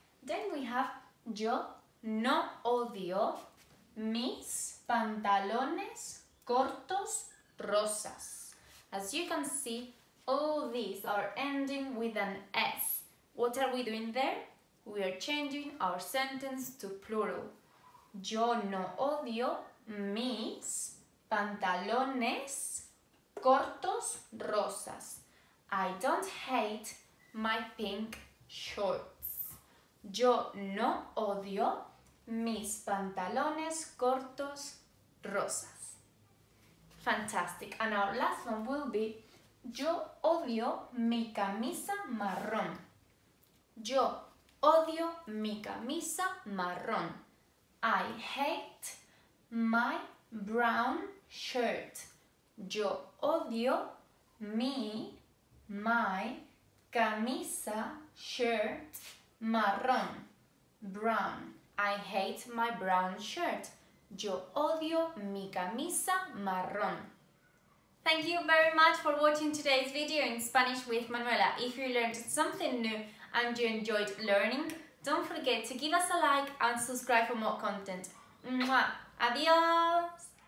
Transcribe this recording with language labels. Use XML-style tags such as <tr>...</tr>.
<en>Then we have</en> <es>yo no odio mis pantalones cortos rosas.</es> <en>As you can see, All these are ending with an S. What are we doing there? We are changing our sentence to plural.</en> <es>Yo no odio mis pantalones cortos rosas.</es> <en>I don't hate my pink shorts.</en> <es>Yo no odio mis pantalones cortos rosas.</es> <en>Fantastic. And our last one will be</en> <es>yo odio mi camisa marrón. Yo odio mi camisa marrón.</es> <en>I hate my brown shirt.</en> <es>Yo odio my camisa shirt marrón. Brown.</es> <en>I hate my brown shirt.</en> <es>Yo odio mi camisa marrón.</es> <en>Thank you very much for watching today's video in Spanish with Manuela. If you learned something new and you enjoyed learning, don't forget to give us a like and subscribe for more content. Mwah! Adiós!</en>